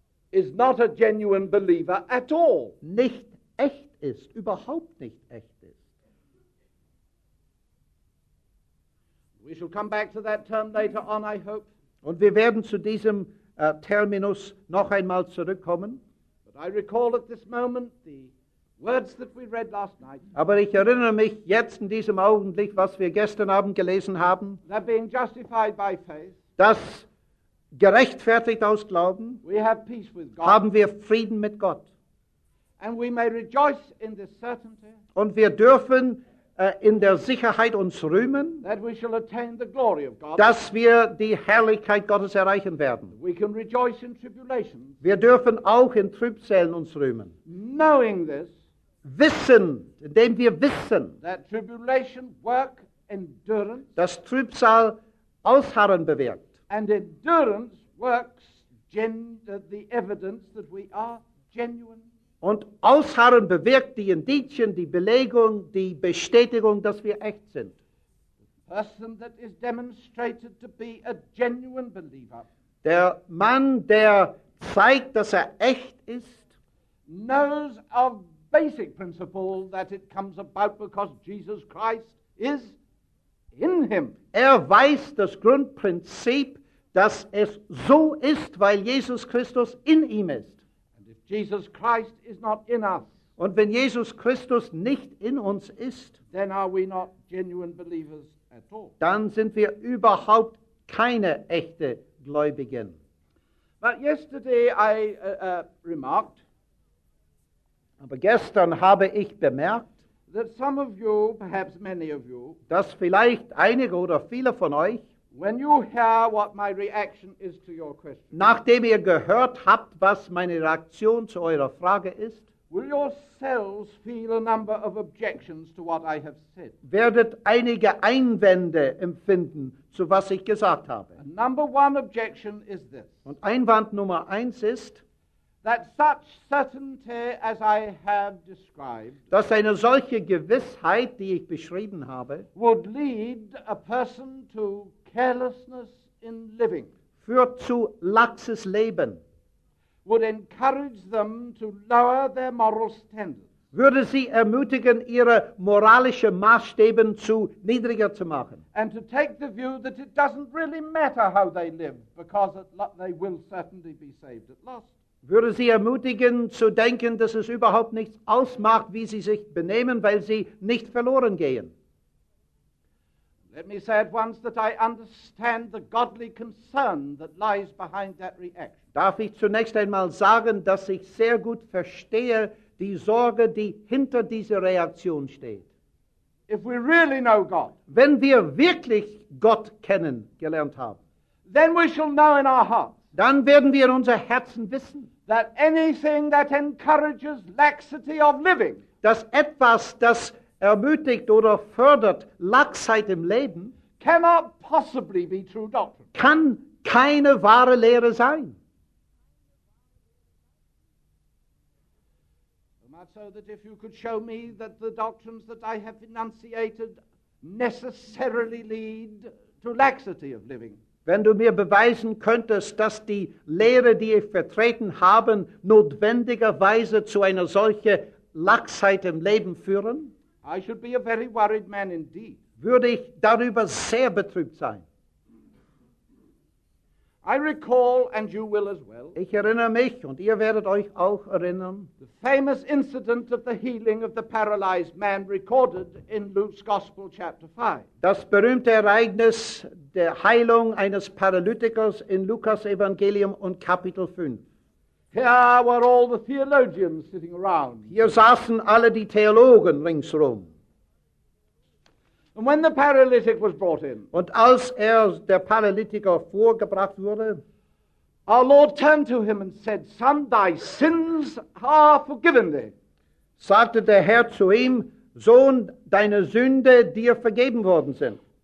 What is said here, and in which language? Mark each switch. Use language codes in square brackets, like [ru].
[en] is not a genuine believer at all. [de] Nicht echt ist, überhaupt nicht echt. [en] We shall come back to that term later on, I hope. [de] Und wir werden zu diesem Terminus noch einmal zurückkommen. [en] But I recall at this moment the words that we read last night. [de] Aber ich erinnere mich jetzt in diesem Augenblick, was wir gestern Abend gelesen haben. [en] That being justified by faith. [de] Dass gerechtfertigt aus Glauben. [en] We have peace with God. [de] Haben wir Frieden mit Gott. [en] And we may rejoice in this certainty. [de] Und wir dürfen in der Sicherheit uns rühmen, [en] that we shall attain the glory of God, [de] dass wir die Herrlichkeit Gottes erreichen werden. [en] We can rejoice in tribulation, [de] wir dürfen auch in Trübsälen uns rühmen. [en] Knowing this, [de] wissen, indem wir wissen, [en] that tribulation work endurance, [de] dass Trübsal Ausharren bewirkt. [en] And endurance works the evidence that we are genuine. [de] Und Ausharren bewirkt die Indizien, die Belegung, die Bestätigung, dass wir echt sind. [en] The person that is demonstrated to be a genuine believer. [de] Der Mann, der zeigt, dass echt ist, [en] knows of basic principle that it comes about because Jesus Christ is in him. [de] Weiß das Grundprinzip, dass es so ist, weil Jesus Christus in ihm ist. [en] Jesus Christ is not in us. [de] Und wenn Jesus Christus nicht in uns ist, [en] then are we not genuine believers at all. [de] Dann sind wir überhaupt keine echte Gläubigen. [en] But yesterday I remarked, [de] aber gestern habe ich bemerkt, [en] that some of you, perhaps many of you, [de] dass vielleicht einige oder viele von euch, [en] when you hear what my reaction is to your question, [de] nachdem ihr gehört habt, was meine Reaktion zu eurer Frage ist, [en] will yourselves feel a number of objections to what I have said? [de] Werdet einige Einwände empfinden zu was ich gesagt habe. [en] And number one objection is this. [de] Und Einwand Nummer eins ist, [en] that such certainty as I have described, [de] dass eine solche Gewissheit, die ich beschrieben habe, [en] would lead a person to carelessness in living, [de] führt zu laxes Leben, [en] would encourage them to lower their moral standards. [de] Würde sie ermutigen, ihre moralische Maßstäben zu niedriger zu machen. [en] And to take the view that it doesn't really matter how they live, because they will certainly be saved at last. [de] Würde sie ermutigen, zu denken, dass es überhaupt nichts ausmacht, wie sie sich benehmen, weil sie nicht verloren gehen. [en] Let me say at once that I understand the godly concern that lies behind that reaction. [de] Darf ich zunächst einmal sagen, dass ich sehr gut verstehe die Sorge, die hinter dieser Reaktion steht. [en] If we really know God, [de] wenn wir wirklich Gott kennen gelernt haben, [en] then we shall know in our hearts, [de] dann werden wir in unser Herzen wissen, [en] that anything that encourages laxity of living, [de] dass etwas, das ermutigt oder fördert Laxheit im Leben, [en] cannot possibly be true doctrine, [de] kann keine wahre Lehre sein. [en] So that if you could show me that the doctrines that I have enunciated necessarily lead to laxity of living. [de] Wenn du mir beweisen könntest, dass die Lehre, die ich vertreten habe, notwendigerweise zu einer solchen Laxheit im Leben führen, [en] I should be a very worried man indeed. [de] Würde ich darüber sehr betrübt sein. [en] I recall, and you will as well, [de] ich erinnere mich, und ihr werdet euch auch erinnern, [en] the famous incident of the healing of the paralyzed man recorded in Luke's Gospel chapter 5. [de] Das berühmte Ereignis der Heilung eines Paralytikers in Lukas Evangelium und Kapitel 5. [en] Here were all the theologians sitting around. [de] Hier saßen alle die Theologen ringsherum. [en] And when the paralytic was brought in, [de] und als der Paralytiker vorgebracht wurde, [en] our Lord turned to him and said, "Son, thy sins are forgiven thee." [de] Sagte der Herr zu ihm, Sohn, deine Sünde dir vergeben worden sind.